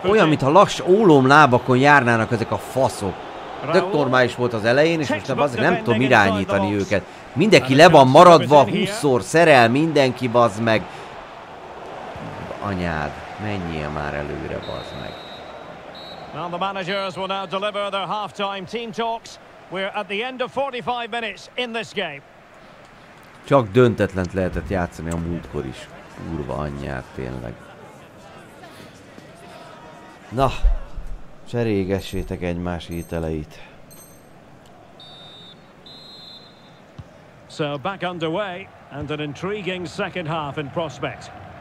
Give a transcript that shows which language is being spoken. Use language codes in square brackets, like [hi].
[hu] Olyan, mintha lass ólom lábakon járnának ezek a faszok. Tök normális volt az elején, és most nem tudom irányítani őket. Mindenki le van maradva, 20-szor szerel mindenki, bazd meg. Anyád, menjél már előre, bazd meg. [en] Now the managers will now deliver their halftime team talks. We're at the end of 45 minutes in this game. [hu] Csak döntetlent lehetett játszani a múltkor is. Kurva anyját, tényleg. Na, cserégessétek egymás ételeit. [en] So back underway and an intriguing second half in prospect.